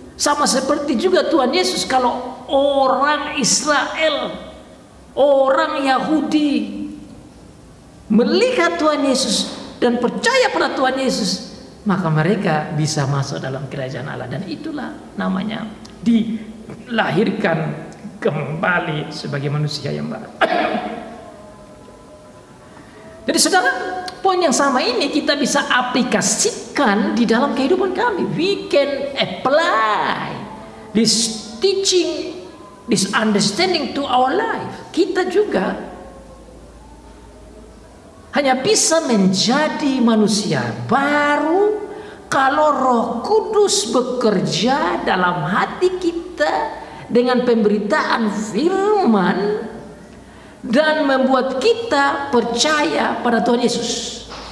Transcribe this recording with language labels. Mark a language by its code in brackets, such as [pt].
[id] Sama seperti juga Tuhan Yesus, kalau orang Israel, orang Yahudi melihat Tuhan Yesus dan percaya pada Tuhan Yesus, maka mereka bisa masuk dalam kerajaan Allah, dan itulah namanya dilahirkan kembali sebagai manusia yang baru. Jadi saudara, poin yang sama ini kita bisa aplikasikan di dalam kehidupan kami. [en] We can apply this teaching, this understanding to our life. [id] Kita juga hanya bisa menjadi manusia baru kalau Roh Kudus bekerja dalam hati kita dengan pemberitaan firman dan membuat kita percaya pada Tuhan Yesus.